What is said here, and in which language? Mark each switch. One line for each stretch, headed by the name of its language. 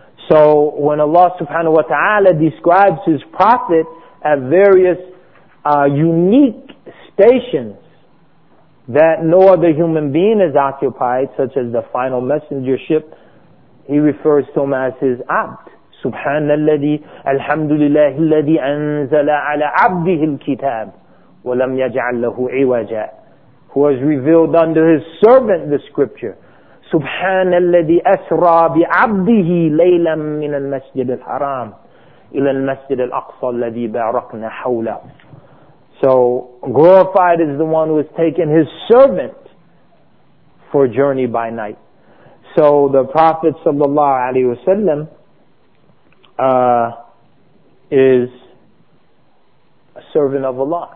English: So when Allah subhanahu wa ta'ala describes His Prophet at various unique stations that no other human being has occupied, such as the final messengership, He refers to Him as His abd.
Arabic: سبحان الذي الحمد لله الذي أنزل على عبده الكتاب ولم يجعل له عوجا.
English: Who has revealed unto His servant the scripture.
Arabic: سبحان الذي أسرى بعبده ليلا من المسجد الحرام إلى المسجد الأقصى الذي باركنا حوله.
English: So glorified is the one who has taken His servant for journey by night. So the Prophet صلى الله عليه وسلم is a servant of Allah.